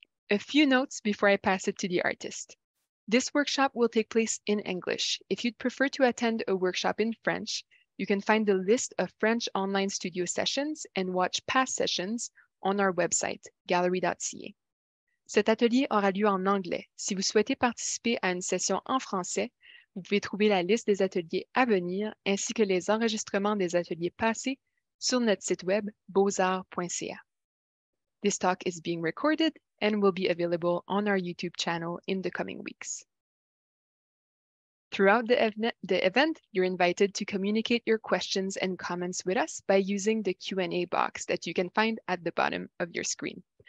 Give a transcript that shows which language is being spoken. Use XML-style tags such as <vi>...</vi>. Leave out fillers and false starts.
<en>A few notes before I pass it to the artist. This workshop will take place in English. If you'd prefer to attend a workshop in French, you can find the list of French online studio sessions and watch past sessions on our website, gallery.ca.</en> <fr>Cet atelier aura lieu en anglais. Si vous souhaitez participer à une session en français, vous pouvez trouver la liste des ateliers à venir ainsi que les enregistrements des ateliers passés sur notre site web beauxarts.ca.</fr> <en>This talk is being recorded and will be available on our YouTube channel in the coming weeks. Throughout the event, you're invited to communicate your questions and comments with us by using the Q&A box that you can find at the bottom of your screen.</en>